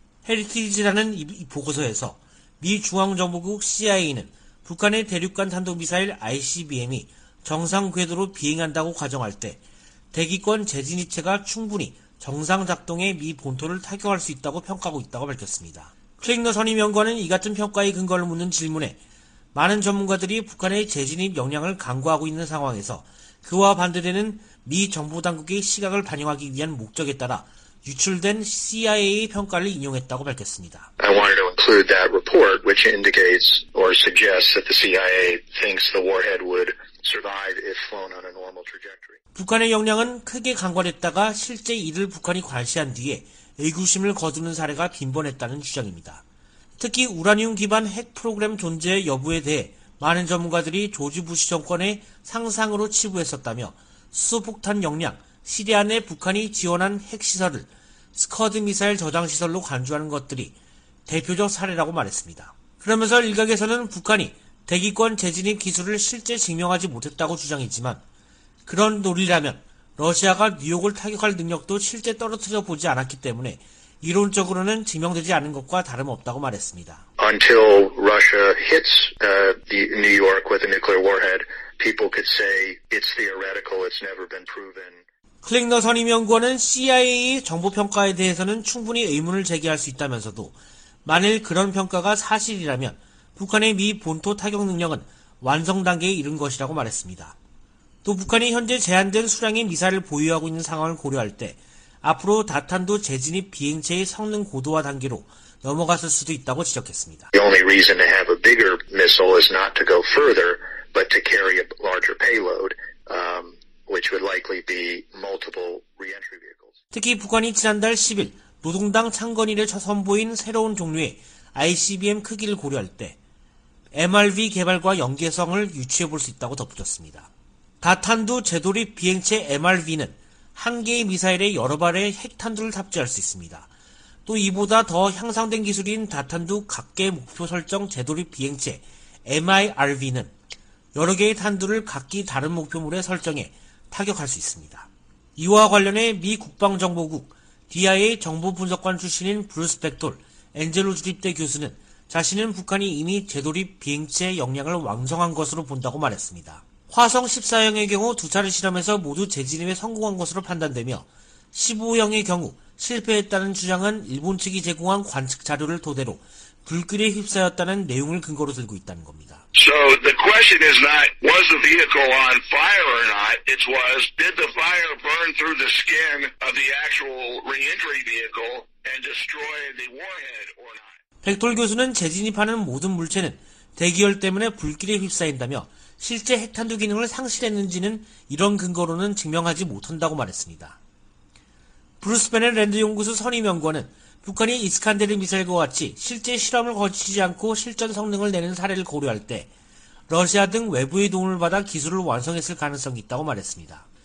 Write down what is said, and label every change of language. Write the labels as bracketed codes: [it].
[ko] 헤리티지 재단은 이 보고서에서 미 중앙정보국 CIA는 북한의 대륙간 탄도미사일 ICBM이 정상 궤도로 비행한다고 가정할 때 대기권 재진입체가 충분히 정상 작동에 미 본토를 타격할 수 있다고 평가하고 있다고 밝혔습니다. 클링너 선임연구원은 이 같은 평가의 근거를 묻는 질문에 많은 전문가들이 북한의 재진입 역량을 강구하고 있는 상황에서 그와 반대되는 미 정보당국의 시각을 반영하기 위한 목적에 따라 유출된 CIA의 평가를 인용했다고 밝혔습니다. [en] I wanted to include that report which indicates or suggests that the CIA thinks the warhead would survive if flown on a normal trajectory. [ko] 북한의 역량은 크게 강과됐다가 실제 이를 북한이 과시한 뒤에 의구심을 거두는 사례가 빈번했다는 주장입니다. 특히 우라늄 기반 핵 프로그램 존재 여부에 대해 많은 전문가들이 조지 부시 정권의 상상으로 치부했었다며 수폭탄 역량, 시리아 내 북한이 지원한 핵시설을 스커드 미사일 저장시설로 간주하는 것들이 대표적 사례라고 말했습니다. 그러면서 일각에서는 북한이 대기권 재진입 기술을 실제 증명하지 못했다고 주장했지만 그런 논리라면 러시아가 뉴욕을 타격할 능력도 실제 떨어뜨려 보지 않았기 때문에 이론적으로는 증명되지 않은 것과 다름없다고 말했습니다. [en] Until Russia hits New York with a nuclear warhead, people could say it's theoretical, it's never been proven. [ko] 클릭너 선임 연구원은 CIA의 정보 평가에 대해서는 충분히 의문을 제기할 수 있다면서도 만일 그런 평가가 사실이라면 북한의 미 본토 타격 능력은 완성 단계에 이른 것이라고 말했습니다. 또 북한이 현재 제한된 수량의 미사일을 보유하고 있는 상황을 고려할 때 앞으로 다탄도 재진입 비행체의 성능 고도화 단계로 넘어갔을 수도 있다고 지적했습니다. [en] The only reason to have a bigger missile is not to go further, but to carry a larger payload, which would likely be multiple re-entry vehicles. [ko] 특히 북한이 지난달 10일 노동당 창건 이래 선보인 새로운 종류의 ICBM 크기를 고려할 때 MRV 개발과 연계성을 유추해 볼 수 있다고 덧붙였습니다. 다탄두 재돌입 비행체 MRV는 한 개의 미사일에 여러 발의 핵탄두를 탑재할 수 있습니다. 또 이보다 더 향상된 기술인 다탄두 각개 목표 설정 재돌입 비행체 MIRV는 여러 개의 탄두를 각기 다른 목표물에 설정해 타격할 수 있습니다. 이와 관련해 미 국방정보국 DIA 정보분석관 출신인 브루스 백돌 엔젤로 주립대 교수는 자신은 북한이 이미 재돌입 비행체 역량을 완성한 것으로 본다고 말했습니다. 화성 14형의 경우 두 차례 실험에서 모두 재진입에 성공한 것으로 판단되며 15형의 경우 실패했다는 주장은 일본 측이 제공한 관측 자료를 토대로 불길에 휩싸였다는 내용을 근거로 들고 있다는 겁니다. [en] So the question is not was the vehicle on fire or not, it was did the fire burn through the skin of the actual re-entry vehicle and destroy the warhead or not. [ko] 백돌 교수는 재진입하는 모든 물체는 대기열 때문에 불길에 휩싸인다며 실제 핵탄두 기능을 상실했는지는 이런 근거로는 증명하지 못한다고 말했습니다. 브루스 베넷 랜드 연구소 선임 연구원은 북한이 이스칸데르 미사일과 같이 실제 실험을 거치지 않고 실전 성능을 내는 사례를 고려할 때 러시아 등 외부의 도움을 받아 기술을 완성했을 가능성이 있다고 말했습니다.